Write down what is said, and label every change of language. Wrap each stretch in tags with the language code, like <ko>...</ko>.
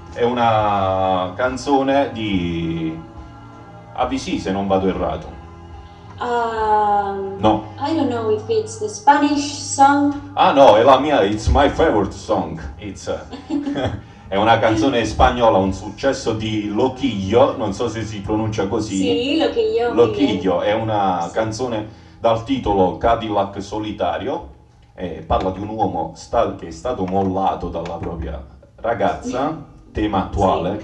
<it>È una canzone di ABC, se non vado errato. No.</it> <en>I don't know if it's the Spanish song.</en> <it>Ah no, è la mia,</it> <en>it's my favorite song. It's...</en> <it>È una canzone spagnola, un successo di Loquillo, non so se si pronuncia così. Sì, Loquillo. Loquillo è una canzone dal titolo Cadillac Solitario, parla di un uomo che è stato mollato dalla propria ragazza, tema attuale,</it>